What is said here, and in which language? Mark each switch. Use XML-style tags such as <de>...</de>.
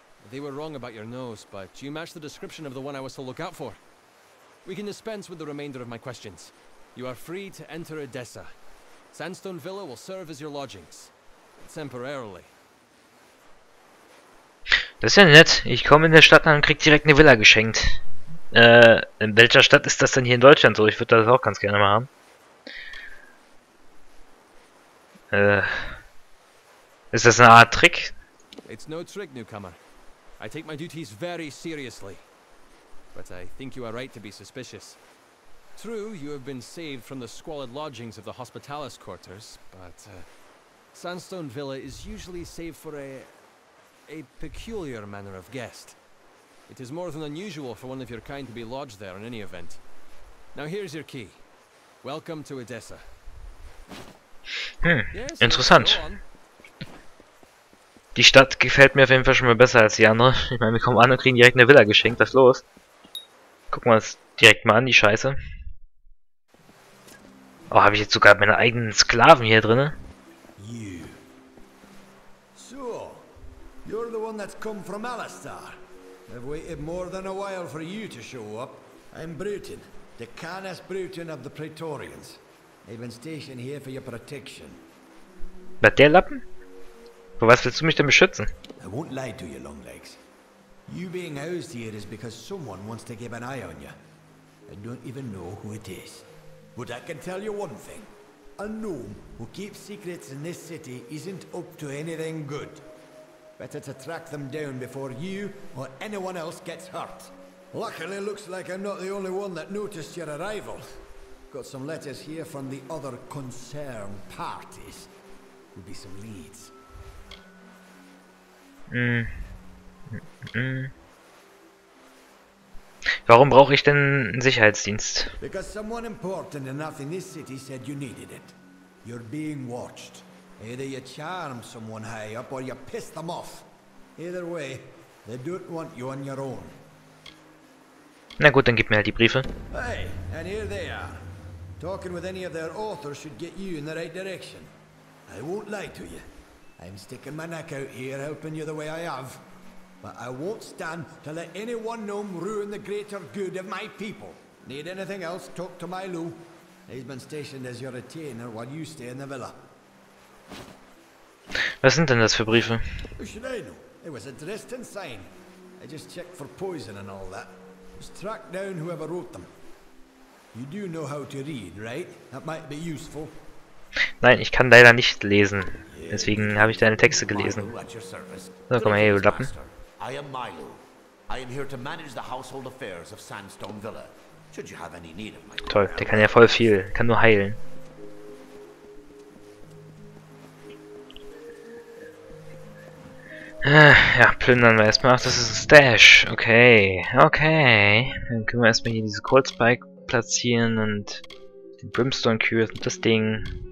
<en>They were wrong about your nose, but you match the description of the one I was to look out for. We can dispense with the remainder of my questions. You are free to enter Edessa. Sandstone Villa will serve as your lodgings. Temporarily.</en> <de>Das ist ja nett. Ich komme in der Stadt an und krieg direkt eine Villa geschenkt. In welcher Stadt ist das denn hier in Deutschland so? Ich würde das auch ganz gerne mal haben. Ist das eine Art Trick?</de> <en>It's no trick, newcomer. I take my duties very seriously. But I think you are right to be suspicious. True, you have been saved from the squalid lodgings of the Hospitalis quarters, but Sandstone Villa is usually safe for a peculiar manner of guest. It is more than unusual for one of your kind to be lodged there in any event. Now here's your key. Welcome to Edessa. Yes,</en> <de>interessant. Die Stadt gefällt mir auf jeden Fall schon mal besser als die andere. Ich meine, wir kommen an und kriegen direkt eine Villa geschenkt. Was ist los? Gucken wir uns direkt mal an, die Scheiße. Oh, habe ich jetzt sogar meine eigenen Sklaven hier drin?</de> <en>You. So, you're the one that's come from Alistar. I've waited more than a while for you to show up. I'm Brutin, the Canis Brutin of the Praetorians. I've been stationed here for your protection.</en> <de>Was, der Lappen? Vor was willst du mich denn beschützen?</de> <en>I won't lie to you, Longlegs. You being housed here is because someone wants to keep an eye on you. I don't even know who it is. But I can tell you one thing. A gnome who keeps secrets in this city isn't up to anything good. Better to track them down before you or anyone else gets hurt. Luckily, looks like I'm not the only one that noticed your arrival. Got some letters here from the other concerned parties. Would be some leads.</en> <de>Warum brauche ich denn einen Sicherheitsdienst?</de> <en>Because someone important enough in this city said you needed it. You're being watched. Either you charm someone high up or you piss them off. Either way, they don't want you on your own.</en> <de>Na gut, dann gib mir halt die Briefe.</de> <en>Hey, and here they are. Talking with any of their authors should get you in the right direction. I won't lie to you. I'm sticking my neck out here helping you the way I have. But I won't stand to let any one gnome ruin the greater good of my people. Need anything else, talk to my Lou. He's been stationed as your retainer while you stay in the villa.</en> <de>Was sind denn das für Briefe?</de> <en>Who should I know? It was addressed and signed. I just checked for poison and all that. Just track down whoever wrote them. You do know how to read, right? That might be useful.</en> <de>Nein, ich kann leider nicht lesen. Deswegen habe ich deine Texte gelesen. So, komm her, du Lappen.</de> <en>I am Milo. I am here to manage the household affairs of Sandstone Villa. Should you have any need of my...</en> <de>Toll, der kann ja voll viel. Kann nur heilen. Ja, plündern wir erstmal. Ach, das ist ein Stash. Okay. Okay. Dann können wir erstmal hier diese Cold Spike platzieren und den Brimstone Cure und das Ding.</de>